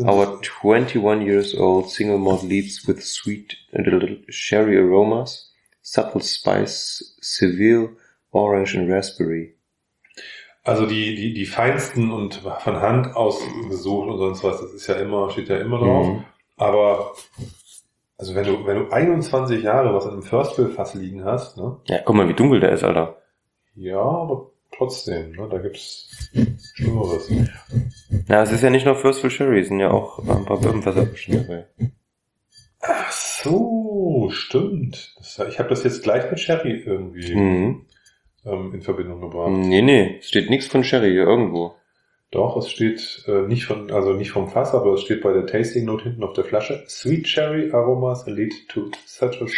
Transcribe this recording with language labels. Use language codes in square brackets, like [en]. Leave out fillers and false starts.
[en] Our 21 years old single malt leaves with sweet and a little sherry aromas, subtle spice, Seville, orange and raspberry. [de] Also die feinsten und von Hand ausgesucht und sonst was, das ist ja immer, steht ja immer drauf. Mhm. Aber also wenn du 21 Jahre was in einem First Fill Fass liegen hast, ne? Ja, guck mal, wie dunkel der ist, Alter. Ja, aber. Trotzdem, ne, da gibt's Schlimmeres. Ja, es ist ja nicht nur First Fill Sherry, sind ja auch ein paar Birnenfässer bestimmt dabei. Ach so, stimmt. Ich habe das jetzt gleich mit Sherry irgendwie in Verbindung gebracht. Nee, es steht nichts von Sherry hier irgendwo. Doch, es steht nicht vom Fass, aber es steht bei der Tasting Note hinten auf der Flasche. [en] Sweet Sherry Aromas lead to such a